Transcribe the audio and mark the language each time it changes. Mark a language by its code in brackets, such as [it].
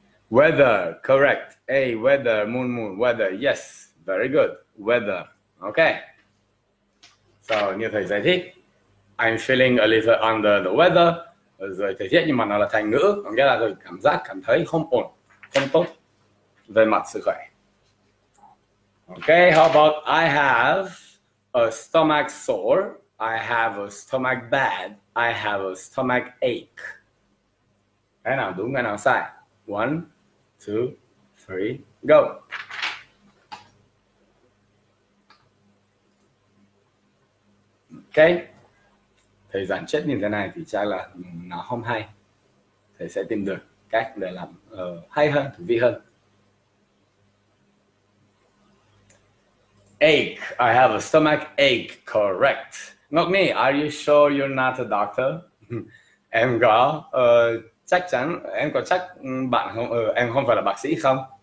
[en] Weather, correct. A, weather, moon, moon, weather, yes, very good, weather. [vi] Ok, so như thầy giải thích, [en] I'm feeling a little under the weather, [vi] rồi thầy thiết, nhưng mà nó là thành ngữ, có nghĩa là rồi cảm giác, cảm thấy không ổn, không tốt về mặt sức khỏe. [en] Ok, how about I have a stomach sore, I have a stomach bad, I have a stomach ache. [vi] Cái nào đúng, cái nào sai? [en] One, two, three, go. [vi] Ok, thầy giản chết như thế này thì chắc là nó không hay. Thầy sẽ tìm được cách để làm hay hơn, thú vị hơn. [en] Ache, I have a stomach ache, correct. Not me, are you sure you're not a doctor? [vi] Em có, chắc chắn, em có chắc bạn không, em không phải là bác sĩ không?